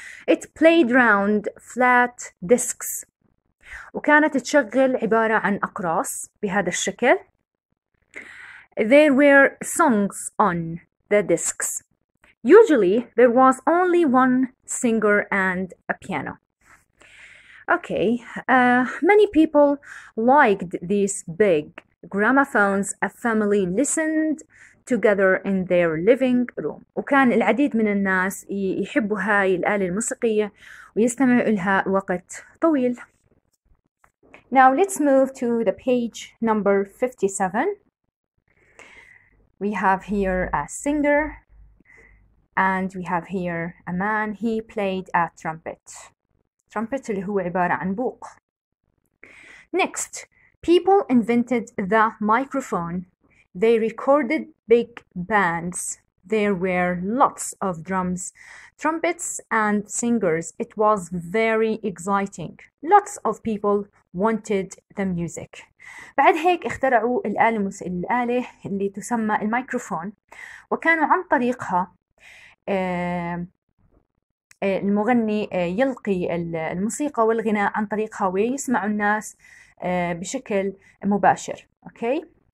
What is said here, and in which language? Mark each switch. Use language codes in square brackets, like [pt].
[en] It played round flat discs. [ar] وكانت تشغل عبارة عن أقراص بهذا الشكل. [en] There were songs on the discs. Usually, there was only one singer and a piano. Okay, many people liked these big gramophones. A family listened together in their living room. [ar] وكان العديد من الناس يحبوا هاي الآلة الموسيقية ويستمعوا لها وقت طويل. [en] Now, let's move to the page number 57. We have here a singer, and we have here a man. He played a trumpet. [ar] Trumpet اللي هو عبارة عن بوق. [en] Next, people invented the microphone. They recorded big bands. There were lots of drums, trumpets, and singers. It was very exciting. Lots of people wanted the music. [ar] بعد هيك اخترعوا الآلة اللي تسمى الميكروفون، وكانوا عن طريقها المغني يلقي الموسيقى والغناء عن طريقها ويسمعوا الناس بشكل مباشر. Okay.